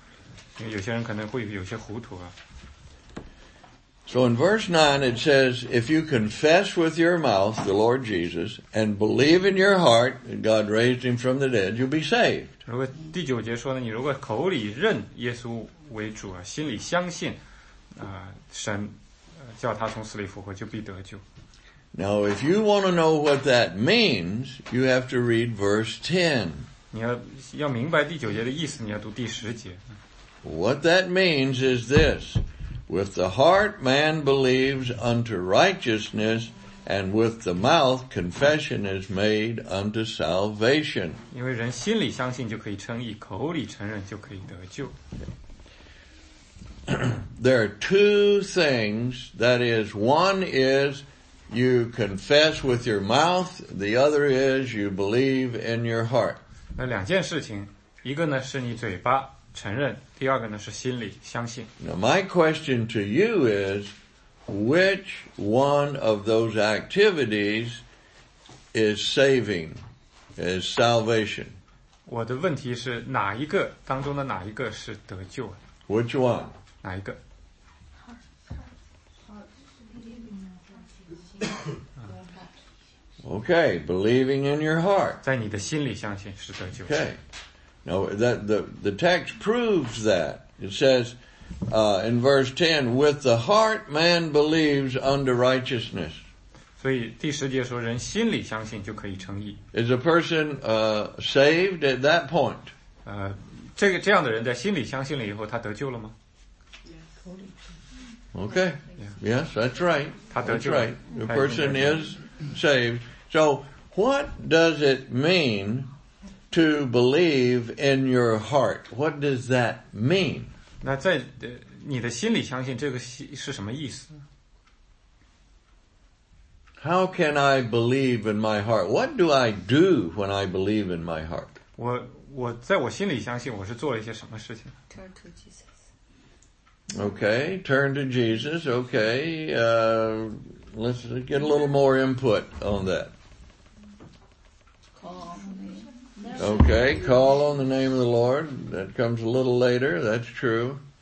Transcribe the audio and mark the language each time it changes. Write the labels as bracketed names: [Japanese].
[Chinese] 我们要非常清楚地了解这一段想讲一个什么信息，因为有些人可能会有些糊涂啊。 [English] So in verse 9 it says, if you confess with your mouth the Lord Jesus and believe in your heart that God raised him from the dead, you'll be saved. [Chinese] 如果第九节说呢, 你如果口里认耶稣为主啊, 心里相信, 神, 叫他从死里复活, 就必得救。 [English] Now if you want to know what that means, you have to read verse 10. [Chinese] 你要明白第九节的意思, 你要读第十节。 [English] What that means is this. With the heart man believes unto righteousness, and with the mouth confession is made unto salvation. [Chinese] 因为人心里相信就可以称义，口里承认就可以得救。 [English] There are two things, that is, one is you confess with your mouth, the other is you believe in your heart. [Chinese] 那两件事情，一个呢是你嘴巴。承认，第二个呢是心里相信。 [English] Now my question to you is, which one of those activities is saving, is salvation? [Chinese] 我的问题是哪一个当中的哪一个是得救啊？ [English] Which one? [Chinese] 哪一个？ [English] Okay, believing in your heart. [Chinese] 在你的心里相信是得救。 [English] Okay. Now, the text proves that. It says in verse 10, with the heart man believes unto righteousness. [Chinese] 所以第十节说人心里相信就可以称义。 [English] Is a person saved at that point? [Chinese] 这样的人在心里相信了以后他得救了吗? [English] Okay. Yes, that's right. [Chinese] 他得救了。 [English] That's right. The person is saved. So what does it mean to believe in your heart? What does that mean? [Chinese] 那在你的心里相信这个是什么意思? [English] How can I believe in my heart? What do I do when I believe in my heart? [Chinese] 我在我心里相信我是做了一些什么事情? [English] Turn to Jesus. Okay, turn to Jesus. Okay, let's get a little more input on that. Okay, call on the name of the Lord. That comes a little later. That's true.